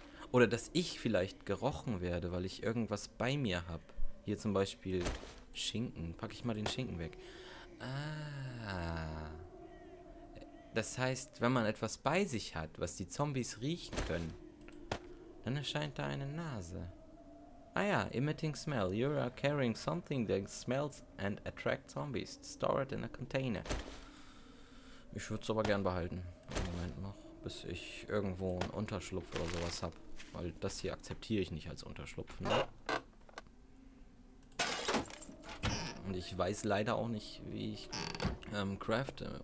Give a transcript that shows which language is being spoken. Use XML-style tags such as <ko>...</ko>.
<de>Oder dass ich vielleicht gerochen werde, weil ich irgendwas bei mir habe. Hier zum Beispiel Schinken. Packe ich mal den Schinken weg. Ah. Das heißt, wenn man etwas bei sich hat, was die Zombies riechen können, dann erscheint da eine Nase.</de> <en>Ah ja, emitting smell. You are carrying something that smells and attracts zombies. Store it in a container.</en> <de>Ich würde es aber gern behalten. Einen Moment noch, bis ich irgendwo einen Unterschlupf oder sowas habe. Weil das hier akzeptiere ich nicht als Unterschlupf, ne? Und ich weiß leider auch nicht, wie ich crafte.</de>